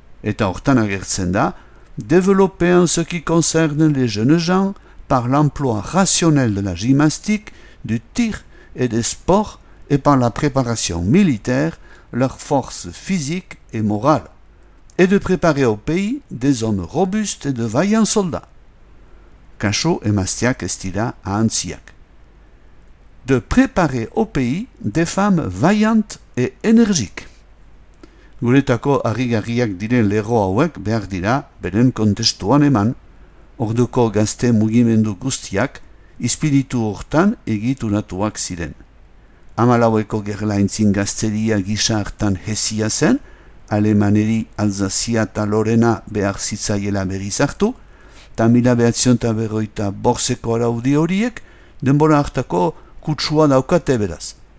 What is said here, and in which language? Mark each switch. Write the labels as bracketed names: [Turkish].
[Basque] Eta hortan agertzen da, [French] développer en ce qui concerne les jeunes gens par l'emploi rationnel de la gymnastique, du tir et des sports et par la préparation militaire leur force physique et morale, et de préparer au pays des hommes robustes et de vaillants soldats. [Basque] Kaso emaztiak estira ahantziak. [French] De préparer au pays des femmes vaillantes et énergiques. [Basque] Guretako harrigarriak diren lerro hauek behar dira beren kontestuan eman, orduko gazte mugimendu guztiak ispiritu hortan egiturnatuak ziren. Amalaueko gerlaintzin gazteria gisa hartan hezia zen, alemaneri Alzazia eta Lorena behar zitzaiela berriz hartu, eta 1945ko araudi horiek denbora hartako kutsua daukate beraz.